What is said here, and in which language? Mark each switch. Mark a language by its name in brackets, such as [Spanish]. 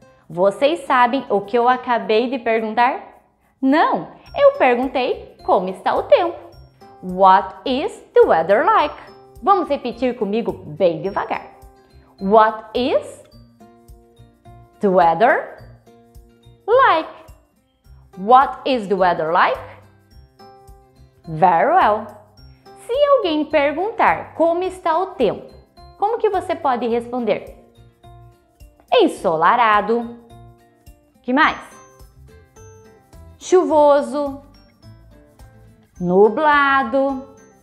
[Portuguese] Vocês sabem o que eu acabei de perguntar? Não, eu perguntei como está o tempo. [English] What is the weather like? [Portuguese] Vamos repetir comigo bem devagar. [English] What is the weather like? What is the weather like? Very well. [Portuguese] Se alguém perguntar como está o tempo, como que você pode responder? Ensolarado. Que mais? Chuvoso. Nublado.